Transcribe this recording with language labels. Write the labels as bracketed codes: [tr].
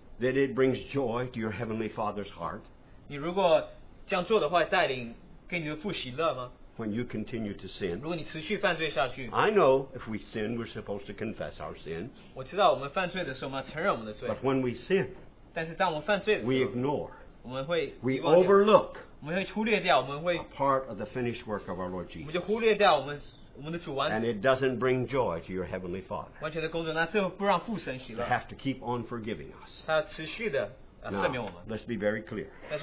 [en] that it brings joy to your Heavenly Father's heart [zh] 你如果这样做的话, [en] when you continue to sin? [zh] 如果你持续犯罪下去, [en] I know if we sin, we're supposed to confess our sin. [zh] 我知道我们犯罪的时候嘛, 承认我们的罪, [en] but when we sin, [zh] 但是当我们犯罪的时候, [en] we ignore, [zh] 我们会遗忘掉, [en] we overlook, part of the finished work of our Lord Jesus. And it doesn't bring joy to your Heavenly Father. You have to keep on forgiving us. Now, let's be very clear. As